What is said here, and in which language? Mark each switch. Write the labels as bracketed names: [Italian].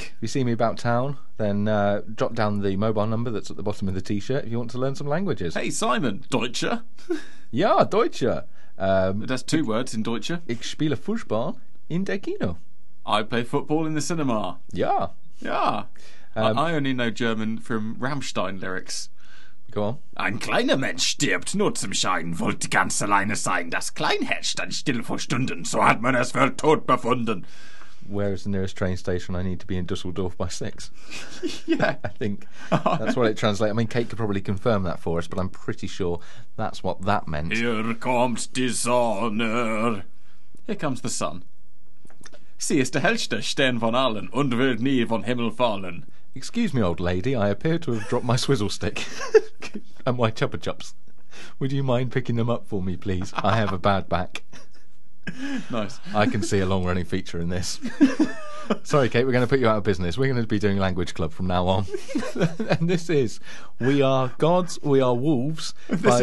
[English] So if you see me about town, then drop down the mobile number that's at the bottom of the T-shirt if you want to learn some languages. [German] Hey, Simon, Deutscher. Ja, Deutscher. [English] That's two words in Deutscher. [German] Ich spiele Fußball. In der Kino. [English] I play football in the cinema. Yeah. Yeah. I only know German from Rammstein lyrics. Go on. [German] Ein kleiner Mensch stirbt nur zum Schein, wollte ganz alleine sein, das Kleinherz stand still vor Stunden, so hat man es für tot befunden. [English] Where is the nearest train station? I need to be in Dusseldorf by 6. Yeah. I think that's what it translates. I mean, Kate could probably confirm that for us, but I'm pretty sure that's what that meant. Here comes dishonor. Here comes the sun. [German] Sie ist der hellste Stern von allen und wird nie von Himmel fallen. [English] Excuse me, old lady, I appear to have dropped my swizzle stick and my chupper chups. Would you mind picking them up for me, please? I have a bad back. Nice. I can see a long-running feature in this. Sorry, Kate, we're going to put you out of business. We're going to be doing Language Club from now on. And this is We Are Gods, We Are Wolves by